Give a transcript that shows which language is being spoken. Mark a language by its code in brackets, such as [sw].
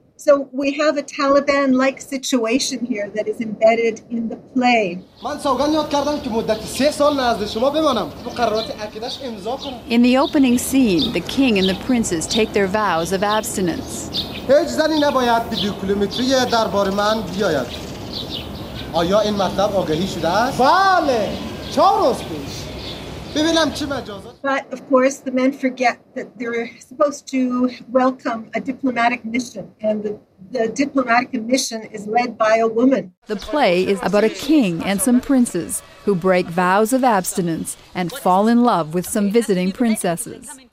[en] So we have a Taliban-like situation here that is embedded in the play. In the opening scene, the king and the princes take their vows of abstinence. [fa] آیا این مطلب آگهی شده است؟ بله، چهار روز پیش. ببینم چه مجازات. [en] But of course the men forget that they're supposed to welcome a diplomatic mission and the diplomatic mission is led by a woman. The play is about a king and some princes who break vows of abstinence and fall in love with some visiting princesses.